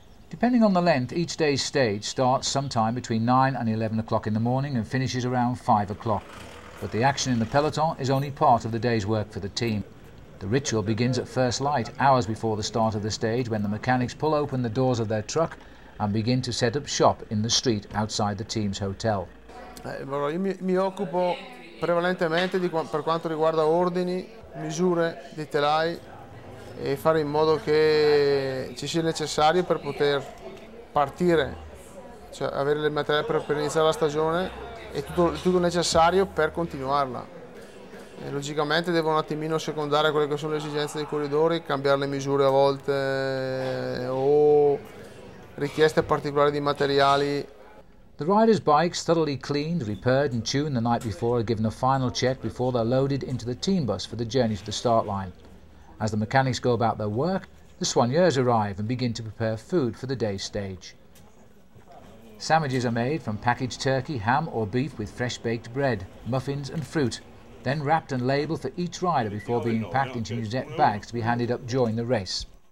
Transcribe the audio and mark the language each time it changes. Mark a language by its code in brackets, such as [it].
[en] Depending on the length, each day's stage starts sometime between 9 and 11 o'clock in the morning and finishes around 5 o'clock. But the action in the peloton is only part of the day's work for the team. The ritual begins at first light, hours before the start of the stage, when the mechanics pull open the doors of their truck and begin to set up shop in the street outside the team's hotel. [it] Io mi occupo prevalentemente per quanto riguarda ordini, misure dei telai e fare in modo che ci sia necessario per poter partire, cioè avere il materiale per iniziare la stagione e tutto necessario per continuarla. E logicamente devo un attimino secondare quelle che sono le esigenze dei corridori, cambiare le misure a volte o richieste particolari di materiali. [en] The riders' bikes, thoroughly cleaned, repaired and tuned the night before, are given a final check before they're loaded into the team bus for the journey to the start line. As the mechanics go about their work, the soigneurs arrive and begin to prepare food for the day's stage. Sandwiches are made from packaged turkey, ham or beef with fresh baked bread, muffins and fruit, then wrapped and labelled for each rider before being packed into musette bags to be handed up during the race.